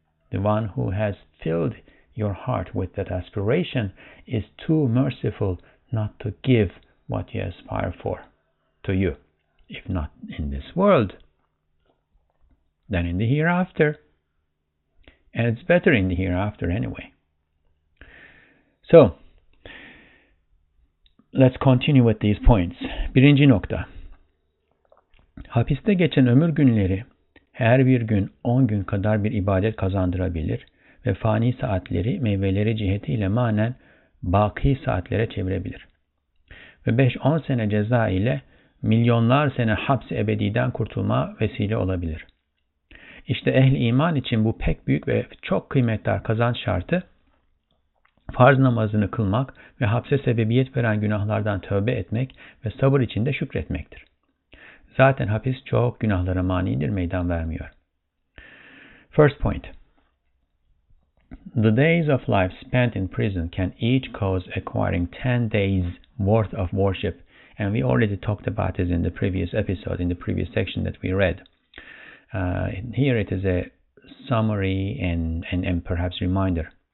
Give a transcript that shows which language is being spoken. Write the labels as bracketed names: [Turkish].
[English] The one who has filled your heart with that aspiration is too merciful not to give what you aspire for to you. If not in this world, then in the hereafter. And it's better in the hereafter anyway. So, let's continue with these points. [Turkish] Birinci nokta. Hapiste geçen ömür günleri her bir gün 10 gün kadar bir ibadet kazandırabilir ve fani saatleri meyveleri cihetiyle manen baki saatlere çevirebilir. Ve 5-10 sene ceza ile milyonlar sene hapsi ebediden kurtulma vesile olabilir. İşte ehli iman için bu pek büyük ve çok kıymetli kazanç şartı, farz namazını kılmak ve hapse sebebiyet veren günahlardan tövbe etmek ve sabır içinde şükretmektir. Zaten hapis çok günahlara manidir, meydan vermiyor. [English] First point. The days of life spent in prison can each cause acquiring 10 days worth of worship, and we already talked about this in the previous episode, in the previous section that we read. Here it is a summary and perhaps reminder.